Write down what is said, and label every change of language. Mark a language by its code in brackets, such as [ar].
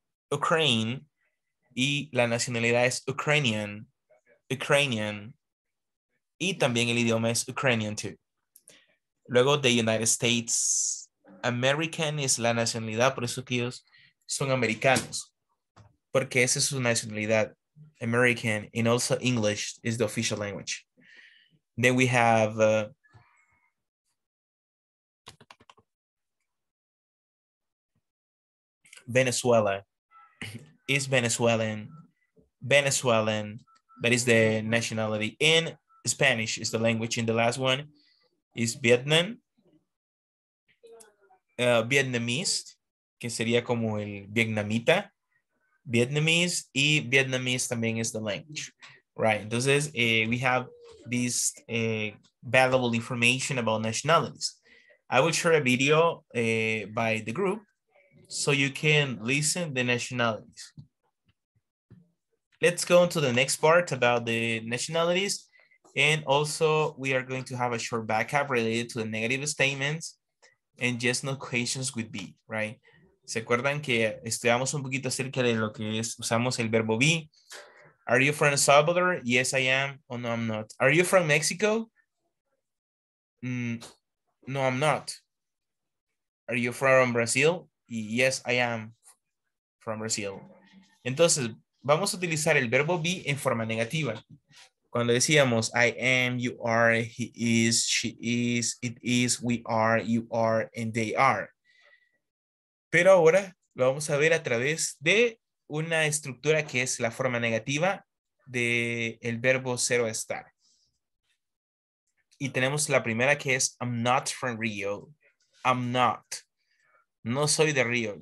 [es] Ukraine, y la nacionalidad es Ukrainian. Ukrainian. Y también el idioma es Ukrainian too. Luego the United States. American es la nacionalidad, por eso que ellos son americanos. Porque esa es su nacionalidad. [en] American, and also English is the official language. Then we have Venezuela. Is Venezuelan. Venezuelan, that is the nationality. In Spanish is the language. In the last one is Vietnam. [es] Vietnamese, que sería como el vietnamita. [en] Vietnamese, y Vietnamese también is the language. Right, entonces we have this valuable information about nationalities. I will share a video by the group so you can listen the nationalities. Let's go on to the next part about the nationalities. And also we are going to have a short backup related to the negative statements and just no questions with be, right? [es] ¿Se acuerdan que estudiamos un poquito acerca de lo que es, usamos el verbo be? [en] Are you from El Salvador? Yes, I am. Oh, no, I'm not. Are you from Mexico? No, I'm not. Are you from Brazil? Yes, I am from Brazil. [es] Entonces, vamos a utilizar el verbo be en forma negativa. Cuando decíamos, [en] I am, you are, he is, she is, it is, we are, you are, and they are. [es] Pero ahora lo vamos a ver a través de una estructura que es la forma negativa del verbo ser o estar. Y tenemos la primera que es, [en] I'm not from Rio. I'm not. [es] No soy de Rio.